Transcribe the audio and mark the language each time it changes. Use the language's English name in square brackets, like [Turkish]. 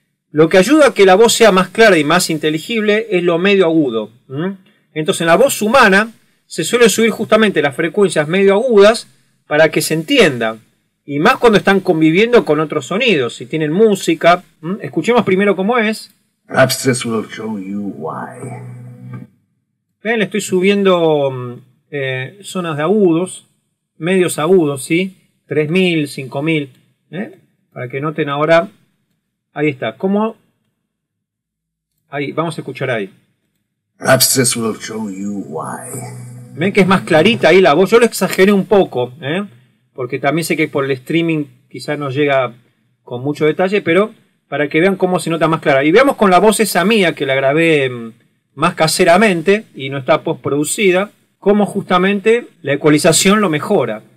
[Spanish] Lo que ayuda a que la voz sea más clara y más inteligible es lo medio agudo. Entonces, en la voz humana se suele subir justamente las frecuencias medio agudas para que se entienda. Y más cuando están conviviendo con otros sonidos, si tienen música. Escuchemos primero cómo es. [English] Perhaps this will show you why. [Spanish] Ven, le estoy subiendo zonas de agudos, medios agudos, ¿sí? 3.000, 5.000, para que noten ahora. Ahí está, ¿cómo? Ahí, vamos a escuchar ahí. [English] Perhaps this will show you why. [Spanish] Ven que es más clarita ahí la voz, yo lo exageré un poco, porque también sé que por el streaming quizás no llega con mucho detalle, pero para que vean cómo se nota más clara. Y veamos con la voz esa mía, que la grabé más caseramente y no está postproducida, cómo justamente la ecualización lo mejora.